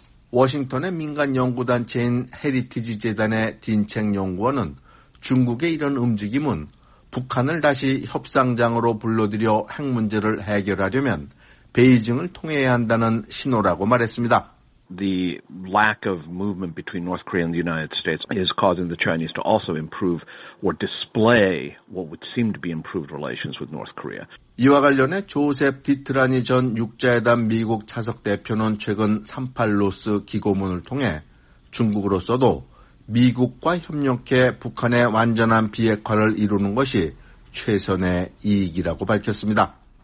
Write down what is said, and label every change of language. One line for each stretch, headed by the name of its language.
Korean: 워싱턴의 민간연구단체인 헤리티지 재단의 딘첸 연구원은 중국의 이런 움직임은 북한을 다시 협상장으로 불러들여 핵 문제를 해결하려면 베이징을 통해야 한다는 신호라고 말했습니다.
English: The lack of movement between North Korea and the United States is causing the Chinese to also improve or display what would seem to be improved relations with North Korea.
Korean: 이와 관련해 조셉 디트라니 전 육자회담 미국 차석 대표는 최근 38로스 기고문을 통해 중국으로서도 미국과 협력해 북한의 완전한 비핵화를 이루는 것이 최선의 이익이라고 밝혔습니다.